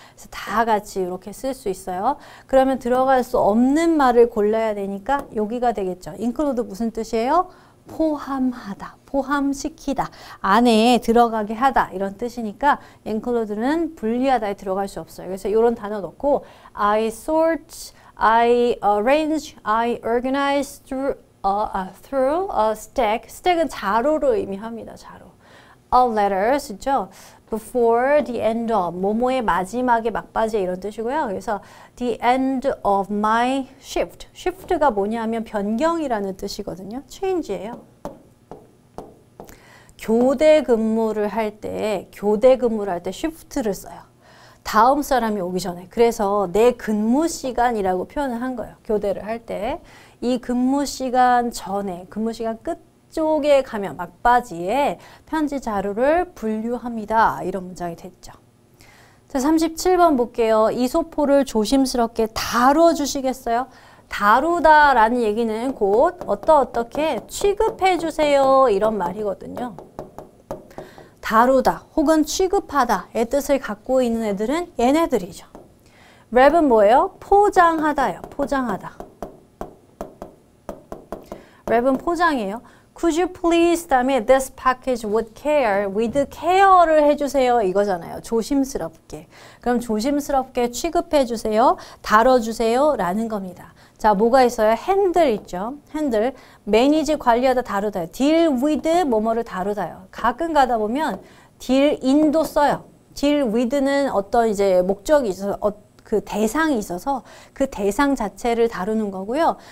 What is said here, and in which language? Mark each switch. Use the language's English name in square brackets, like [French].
[Korean] 그래서 다 같이 이렇게 쓸 수 있어요. 그러면 들어갈 수 없는 말을 골라야 되니까 여기가 되겠죠. include 무슨 뜻이에요? 포함하다, 포함시키다, 안에 들어가게 하다 이런 뜻이니까 include는 분리하다에 들어갈 수 없어요. 그래서 이런 단어 넣고 [English] I sort, I arrange, I organize through a stack. [Korean] stack은 자로를 의미합니다. 자로. [English] a letter, [Korean] 그렇죠? [English] before the end of, [Korean] 뭐뭐의 마지막에 막바지에 이런 뜻이고요. 그래서 [English] the end of my shift. [Korean] shift가 뭐냐면 변경이라는 뜻이거든요. change예요. 교대 근무를 할 때, 교대 근무를 할 때 shift를 써요. 다음 사람이 오기 전에. 그래서 내 근무 시간이라고 표현을 한 거예요. 교대를 할 때. 이 근무 시간 전에, 근무 시간 끝 쪽에 가면 막바지에 편지 자료를 분류합니다. 이런 문장이 됐죠. 자, 37번 볼게요. 이소포를 조심스럽게 다뤄주시겠어요? 다루다라는 얘기는 곧 어떻게 취급해주세요. 이런 말이거든요. 다루다 혹은 취급하다의 뜻을 갖고 있는 애들은 얘네들이죠. 랩은 뭐예요? 포장하다요. 포장하다. 랩은 포장이에요. [English] Could you please, [Korean] 다음에 [English] this package with care, with care를 해주세요. [Korean] 이거잖아요. 조심스럽게. 그럼 조심스럽게 취급해주세요. 다뤄주세요. 라는 겁니다. 자, 뭐가 있어요? 핸들 있죠. 핸들. 매니지 관리하다 다루다. deal with 뭐뭐를 다루다요. 가끔 가다 보면 deal in도 써요. deal with는 어떤 이제 목적이 있어서 그 대상이 있어서 그 대상 자체를 다루는 거고요.